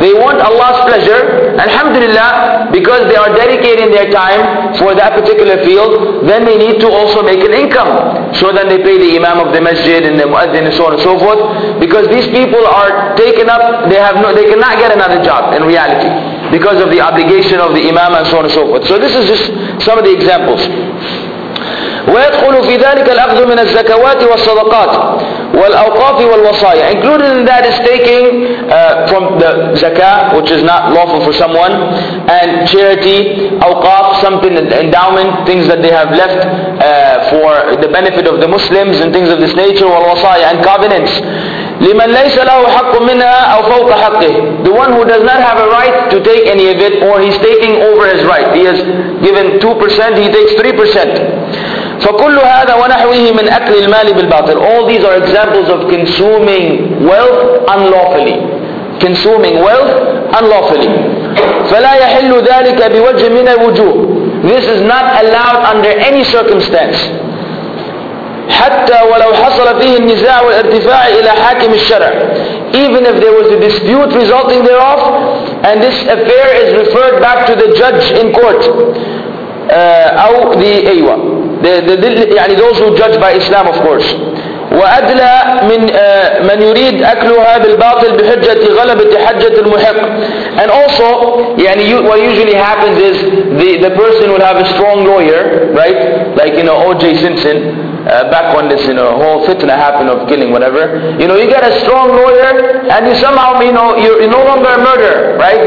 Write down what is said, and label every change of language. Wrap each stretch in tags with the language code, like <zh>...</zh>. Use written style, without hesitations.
<en>They want Allah's pleasure, alhamdulillah, because they are dedicating their time for that particular field, then they need to also make an income. So then they pay the imam of the masjid and the muaddin and so on and so forth, because these people are taken up, they cannot get another job in reality, because of the obligation of the imam and so on and so forth. So this is just some of the examples.</en> <ar>ويدخل في ذلك الأخذ من الزكوات والصدقات والأوقاف والوصايا.</ar> <en>Included in that is taking from the zakah, which is not lawful for someone, and charity, awqaf, something, endowment, things that they have left for the benefit of the Muslims and things of this nature, والوصايا and covenants.</en> <ar>لمن ليس له حق منها أو فوق حقه.</ar> <en>The one who does not have a right to take any of it, or he's taking over his right. He has given 2%, he takes 3%.</en> <ar>فكل هذا ونحوه من أكل المال بالباطل.</ar> <en>All these are examples of consuming wealth unlawfully. Consuming wealth unlawfully.</en> <ar>فلا يحل ذلك بوجه من الوجوه.</ar> <en>This is not allowed under any circumstance.</en> <ar>حتى ولو حصل فيه النزاع والارتفاع إلى حاكم الشرع.</ar> <en>Even if there was a dispute resulting thereof, and this affair is referred back to the judge in court, أو the أيوة. يعني those who judge by Islam, of course.</en> <ar>وأدلى من من يريد أكلها بالباطل بحجة غلبة حجة المحق.</ar> <en>And also, يعني what usually happens is the person will have a strong lawyer, right? Like, you know, O.J. Simpson, back when this, you know, whole fitna happened of killing, whatever. You know, you get a strong lawyer and you somehow, you know, you're no longer a murderer, right?</en>